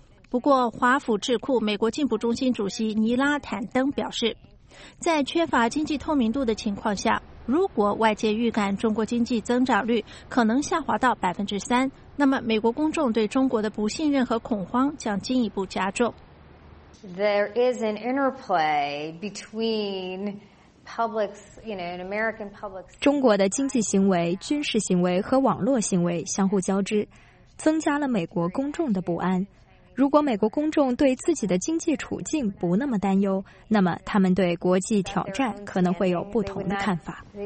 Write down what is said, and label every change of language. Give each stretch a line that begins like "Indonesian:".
Chinese: 不过，华府智库美国进步中心主席尼拉·坦登表示，在缺乏经济透明度的情况下，如果外界预感中国经济增长率可能下滑到 3%， 那么美国公众对中国的不信任和恐慌将进一步加重。
English: There is an interplay between publics, you know, an American public.
Chinese: 中国的经济行为、军事行为和网络行为相互交织，增加了美国公众的不安。如果美国公众对自己的经济处境不那么担忧，那么他们对国际挑战可能会有不同的看法。